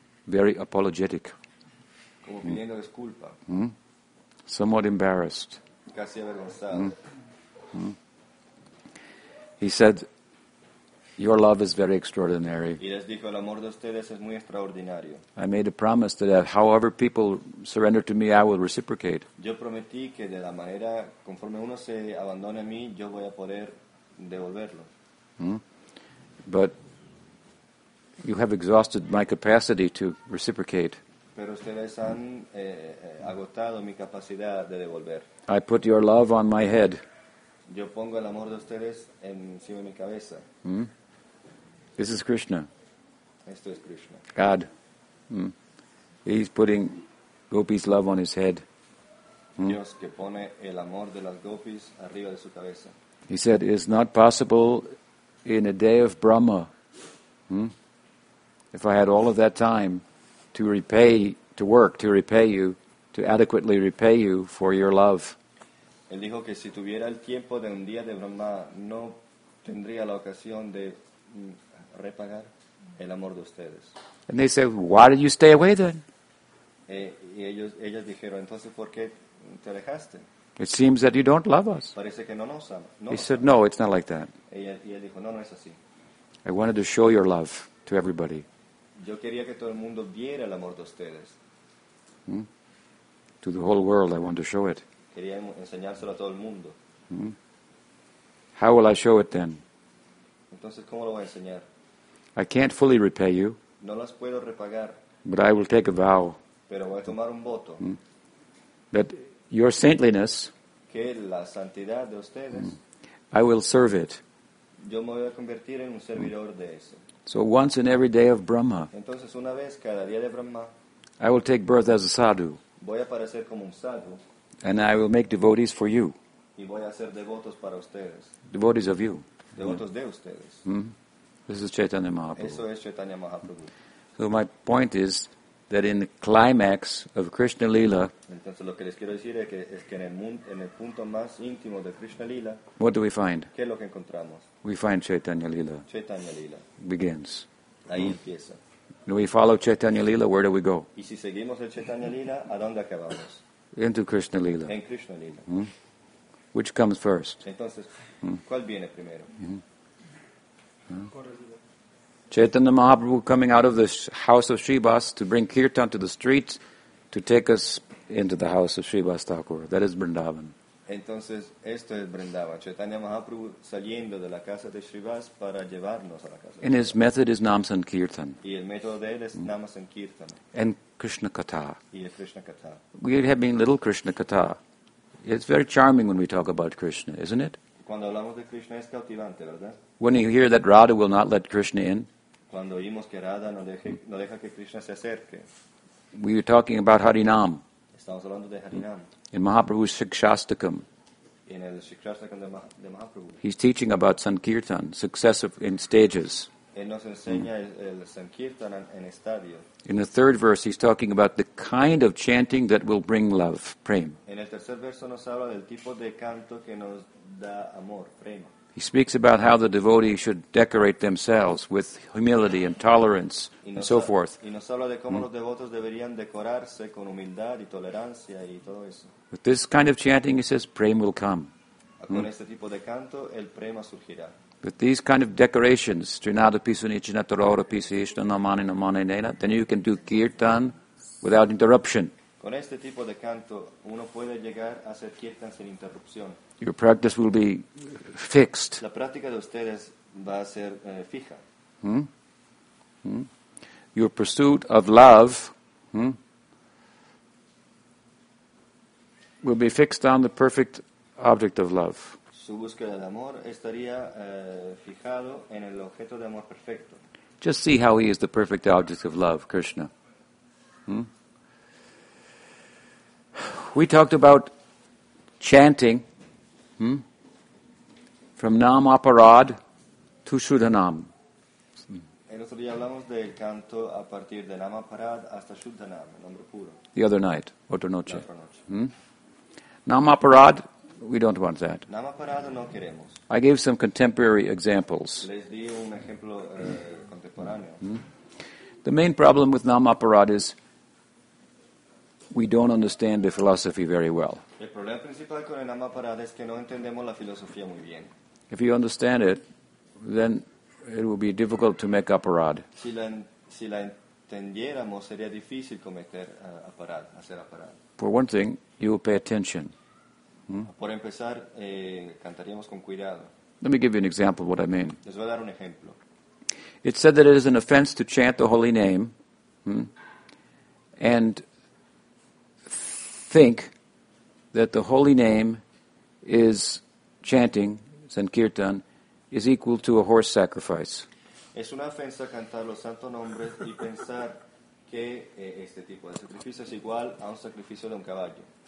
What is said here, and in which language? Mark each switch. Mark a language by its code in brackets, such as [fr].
[en] Very apologetic. [es] Como pidiendo disculpa. [en] Hmm? Somewhat embarrassed. [es] Casi avergonzado. [en] He said, "Your love is very extraordinary." [es] Y les dijo, el amor de ustedes es muy extraordinario. [en] I made a promise that however people surrender to me, I will reciprocate. [es] Yo prometí que de la manera conforme uno se abandone a mí, yo voy a poder devolverlo. [en] But you have exhausted my capacity to reciprocate. [es] Pero ustedes han agotado mi capacidad de devolver. [en] I put your love on my head. [es] Yo pongo el amor de ustedes encima de mi cabeza. [en] This is Krishna. [es] Esto es Krishna. [en] God. He's putting gopis' love on his head. [es] Dios que pone el amor de las gopis arriba de su cabeza. [en] He said, "It's not possible in a day of Brahma, if I had all of that time to repay, to work, to repay you, to adequately repay you for your love." [es] Él dijo que si tuviera el tiempo de un día de Brahma, no tendría la ocasión de repagar el amor de ustedes. [en] And they said, "Why did you stay away then?" [es] Y ellas dijeron, entonces, ¿por qué te alejaste? [en] It seems that you don't love us. [es] Parece que no nos ama. [en] He said, "No, it's not like that." [es] Y él dijo, no, no es así. [en] I wanted to show your love to everybody. [es] Yo quería que todo el mundo viera el amor de ustedes. [en] To the whole world, I want to show it. [es] Quería enseñárselo a todo el mundo. [en] How will I show it then? [es] Entonces, ¿cómo lo voy a enseñar? [en] I can't fully repay you. [es] No las puedo repagar. [en] But I will take a vow. [es] Pero voy a tomar un voto. [en] That your saintliness, [es] que la santidad de ustedes, [en] I will serve it. [es] Yo me voy a convertir en un servidor de eso. [en] So once in every day of Brahma, [es] entonces, una vez cada día de Brahma, [en] I will take birth as a sadhu. [es] Voy a aparecer como un sadhu. [en] And I will make devotees for you. [es] Y voy a hacer devotos para ustedes. [en] Devotees of you. [es] Devotos de ustedes. [en] This is Chaitanya Mahaprabhu. [es] Eso es Chaitanya Mahaprabhu. [en] So my point is that in the climax of Krishna Lila, [es] entonces lo que les quiero decir es que en el punto más íntimo de Krishna Lila, [en] what do we find? [es] ¿Qué es lo que encontramos? [en] We find Chaitanya Lila. [es] Chaitanya Lila. [en] Begins. [es] Ahí empieza. [en] Do we follow Chaitanya Lila? Where do we go? [es] Y si seguimos el Chaitanya Lila, ¿a dónde acabamos? [en] Into Krishna Lila. [es] En Krishna Lila. [en] Which comes first? [es] Entonces, ¿cuál viene primero? [en] Chaitanya Mahaprabhu coming out of the house of Srivas to bring kirtan to the street to take us into the house of Srivas Thakur. That is Vrindavan. [es] Entonces, esto es Vrindavan. Chaitanya Mahaprabhu saliendo de la casa de Srivas para llevarnos a la casa. [en] And his method is Namsankirtan. [es] Y el método de él es Namsankirtan. [en] And Krishna katha. [es] Y es Krishna katha. [en] We are having little Krishna katha. It's very charming when we talk about Krishna, isn't it? [es] Cuando hablamos de Krishna es cautivante, ¿verdad? [en] When you hear that Radha will not let Krishna in. [es] Cuando oímos que Radha no deja que Krishna se acerque. [en] We are talking about Harinam. [es] Estamos hablando de Harinam. [en] In Mahaprabhu's Siksastakam. [es] In el Siksastakam de Mahaprabhu. [en] He's teaching about Sankirtan, successive in stages. [es] Él nos enseña el Sankirtan en estadio. [en] In the third verse, he's talking about the kind of chanting that will bring love, prem. [es] En el tercer verso nos habla del tipo de canto que nos da amor, prem. [en] He speaks about how the devotee should decorate themselves with humility and tolerance and so forth. [es] Y nos habla de cómo los devotos deberían decorarse con humildad y tolerancia y todo eso. [en] With this kind of chanting, he says, prem will come. [es] Con este tipo de canto, el prema surgirá. [en] With these kind of decorations, [sa] Trinada Pisunichina Tarora Pisishna Namani Namani Nena, [en] then you can do kirtan without interruption. [es] Con este tipo de canto, uno puede llegar a hacer kirtan sin interrupción. [en] Your practice will be fixed. [es] La práctica de ustedes va a ser fija. [en] Your pursuit of love will be fixed on the perfect object of love. [es] Su búsqueda de amor estaría fijado en el objeto de amor perfecto. [en] Just see how he is the perfect object of love, Krishna. We talked about chanting from Nam Aparad to Shuddhanam. [es] El otro día hablamos del canto a partir de Nam Aparad hasta Shuddhanam, el nombre puro. [en] The other night, [es] otra noche. La otra noche. [en] Nam Aparad. We don't want that. [es] Nama parada no queremos. [en] I gave some contemporary examples. [es] Les di un ejemplo, contemporáneo. [en] The main problem with nama parada is we don't understand the philosophy very well. [es] El problema principal con el nama parada es que no entendemos la filosofía muy bien. [en] If you understand it, then it will be difficult to make a parada. [es] Si la entendiéramos, sería difícil cometer hacer a parada. [en] For one thing, you will pay attention. [es] Por empezar, cantaríamos con cuidado. [en] Let me give you an example of what I mean. [es] Les voy a dar un ejemplo. [en] It's said that it is an offense to chant the holy name and think that the holy name is chanting, Sankirtan, is equal to a horse sacrifice. [es] Es una ofensa cantar los santos nombres y pensar que este tipo de sacrificio es igual a un sacrificio de un caballo.